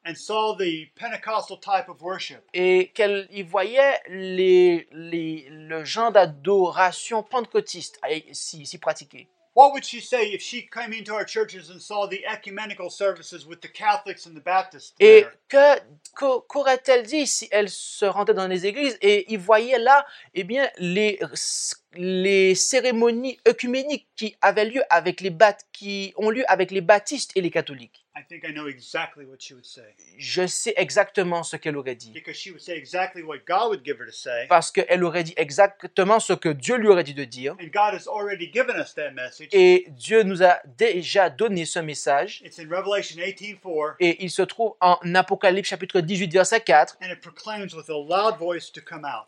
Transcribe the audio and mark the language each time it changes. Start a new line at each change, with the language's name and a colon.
English: And saw the Pentecostal type of worship.
French: Et qu'elle y voyait le genre d'adoration pentecôtiste si pratiqué.
English: What would she say if she came into our churches and saw the ecumenical services with the Catholics and the Baptists there?
French: Et qu'aurait-elle dit si elle se rendait dans les églises et y voyait là, eh bien, les cérémonies œcuméniques qui avaient lieu avec les baptistes et les catholiques?
English: I think I know exactly what she would say.
French: Je sais exactement ce qu'elle aurait dit.
English: Because she would say exactly what God would give her to say.
French: Parce qu'elle aurait dit exactement ce que Dieu lui aurait dit de dire.
English: And God has already given us that message.
French: Et Dieu nous a déjà donné ce message.
English: It's in Revelation 18:4.
French: Et il se trouve en Apocalypse chapitre 18 verset 4.
English: And it proclaims with a loud voice to come out.